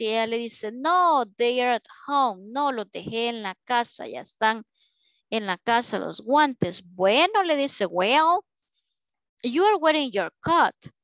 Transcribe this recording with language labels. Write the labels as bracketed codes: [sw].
[es] Y ella le dice, no, [en] they are at home. [es] No, los dejé en la casa, ya están en la casa los guantes. Bueno, le dice, [en] well, you are wearing your coat.